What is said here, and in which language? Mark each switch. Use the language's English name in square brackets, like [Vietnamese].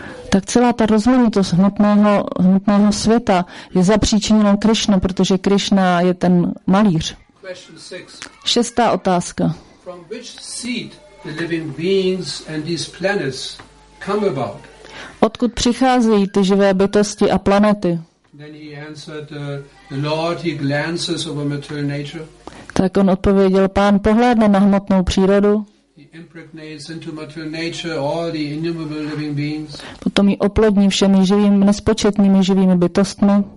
[Czech] Tak celá ta rozmanitost hmotného světa je zapříčiněna Krishna, protože Krishna je ten malíř. Šestá otázka. [English] From which seed the living beings and these planets come about? [Czech] Odkud přicházejí ty živé bytosti a planety? [English] Then he answered, the Lord, he glances over material nature. [Czech] Tak on odpověděl, pán pohlédne na hmotnou přírodu. [English] He impregnates into material nature all the innumerable living beings. [Czech] Potom ji oplodní všemi živými, nespočetnými živými bytostmi.